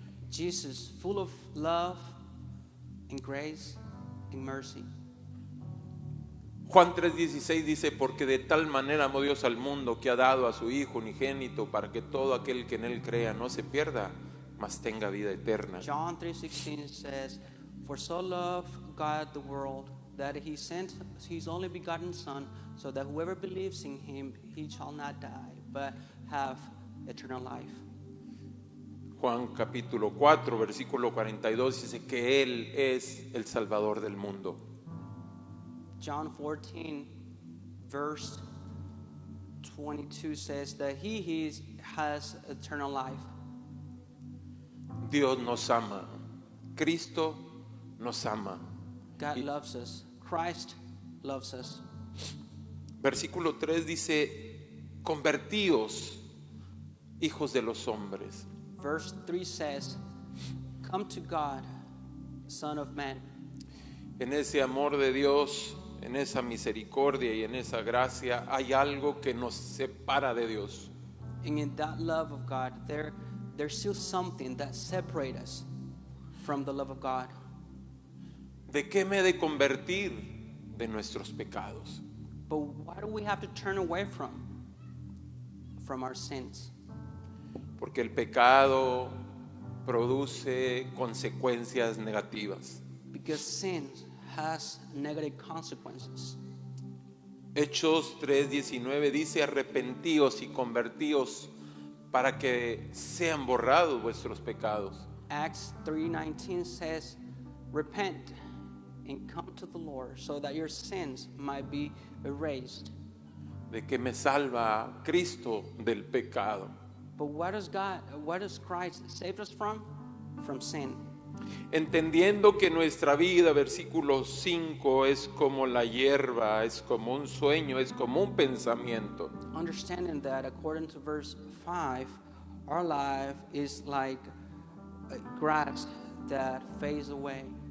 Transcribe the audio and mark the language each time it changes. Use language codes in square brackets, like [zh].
[en] Jesus, full of love and grace and mercy. [es] Juan 3:16 dice, porque de tal manera amó Dios al mundo que ha dado a su Hijo unigénito para que todo aquel que en él crea no se pierda, mas tenga vida eterna. [en] John 3:16 says, for so loved God the world that he sent his only begotten Son, so that whoever believes in him, he shall not die, but have eternal life. [es] Juan capítulo 4, versículo 42 dice que él es el Salvador del mundo. [en] John 14, verse 22 says that he has eternal life. [es] Dios nos ama. Cristo nos ama. [en] God loves us. Christ loves us. [es] Versículo 3 dice, convertíos, hijos de los hombres. [en] Verse 3 says, come to God, Son of Man. [es] En ese amor de Dios, en esa misericordia y en esa gracia, hay algo que nos separa de Dios. [en] And in that love of God, there's still something that separates us from the love of God. [es] ¿De qué me he de convertir de nuestros pecados? [en] But why do we have to turn away from our sins? [es] Porque el pecado produce consecuencias negativas. [en] Because sin has negative consequences. [es] Hechos 3:19 dice, arrepentíos y convertíos para que sean borrados vuestros pecados. [en] Acts 3:19 says, repent and come to the Lord so that your sins might be erased. [es] De que me salva Cristo del pecado. [en] But what does God, what does Christ save us from? From sin. [es] Entendiendo que nuestra vida, versículo 5, es como la hierba, es como un sueño, es como un pensamiento. [en] Understanding that according to verse 5, our life is like grass that fades away.